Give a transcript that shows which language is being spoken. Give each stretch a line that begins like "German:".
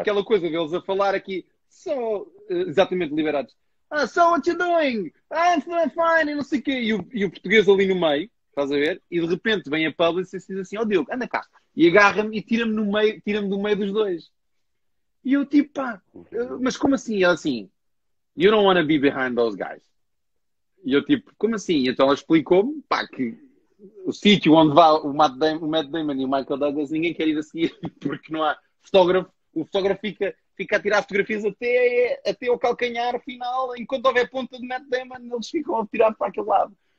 Portuguese: aquela coisa deles a falar aqui, são exatamente liberados.
English: Ah, so what you doing? Ah, I'm fine,
Portuguese: e não sei o quê. E o português ali no meio, estás a ver? E de repente vem a publicist e diz assim: ó, oh, Diogo, anda cá. E agarra-me e tira-me do meio dos dois. E eu tipo, pá, mas como assim? Ela assim,
English: you don't want to be behind those guys.
Portuguese: E eu tipo, como assim? Então ela explicou-me, pá, que o sítio onde vai o Matt Damon e o Michael Douglas, ninguém quer ir a seguir, porque não há fotógrafo. O fotógrafo fica a tirar fotografias até o calcanhar final, enquanto houver ponta do Matt Damon, eles ficam a tirar para aquele lado.